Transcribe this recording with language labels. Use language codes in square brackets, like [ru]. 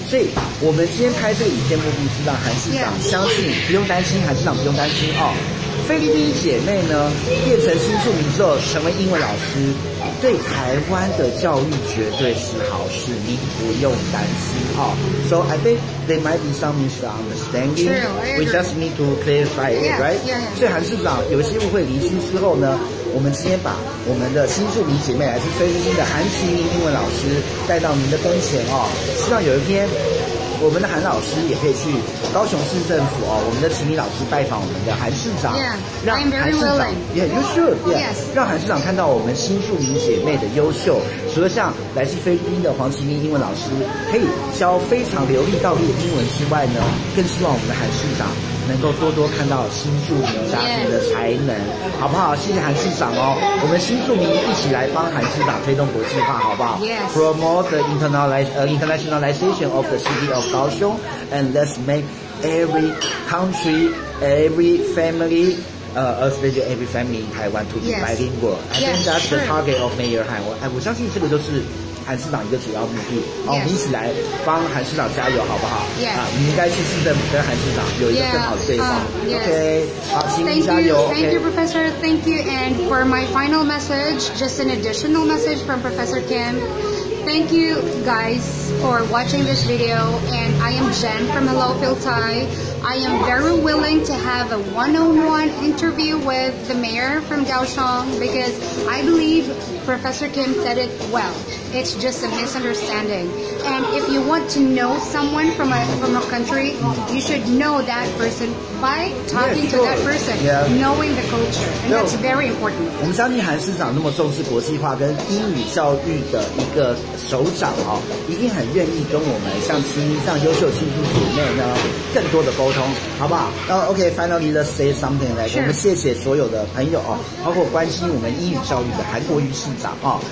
[zh] 所以我们今天拍这个影片目的是让韩市长相信，不用担心，韩市长不用担心哦。菲律宾姐妹呢变成新住民之后成为英文老师，对台湾的教育绝对是好事，你不用担心哦。 [en] So I think there might be some misunderstanding. We just need to clarify it, right? [zh] 所以韩市长有些误会厘清之后呢，我们今天把我们的新住民姐妹，来自菲律宾的韩奇尼英文老师带到您的跟前哦，希望有一天我们的韩老师也可以去高雄市政府哦，我们的奇尼老师拜访我们的韩市长，让韩市长也优秀，让韩市长看到我们新住民姐妹的优秀。除了像来自菲律宾的黄奇尼英文老师可以教非常流利道地的英文之外呢，更希望我们的韩市长能够多多看到新住民家庭的才能，好不好？谢谢韩市长哦，我们新住民一起来帮韩市长推动国际化，好不好 ？ [en] Promote the internationalization of the city of Kaohsiung, and let's make every country, every family, especially every family in Taiwan to be bilingual. I think that's the target of Mayor Han. [zh] 我相信这个就是韩市长一个主要目的，我们一起来帮韩市长加油，好不好？你应该去市政府跟韩市长有一个更好的对话。好，请您加油。 [en] Thank you, Professor. Thank you. And for my final message, just an additional message from Professor Kim. Thank you, guys, for watching this video. And I am Jen from Hello Phil Thai. I am very willing to have a one-on-one interview with the mayor from Kaohsiung because I believe Professor Kim said it well. It's just a misunderstanding. And if you want to know someone from a country, you should know that person by talking to that person, knowing the culture. And that's very important. [zh] 我们相信韩市长那么重视国际化跟英语教育的一个首长哦，一定很愿意跟我们像奇尼这样优秀新住民姐妹呢更多的沟通，好不好？ [en] OK, finally, let's say something. [zh] Like, 我们谢谢所有的朋友哦，包括关心我们英语教育的韩国瑜市长哦。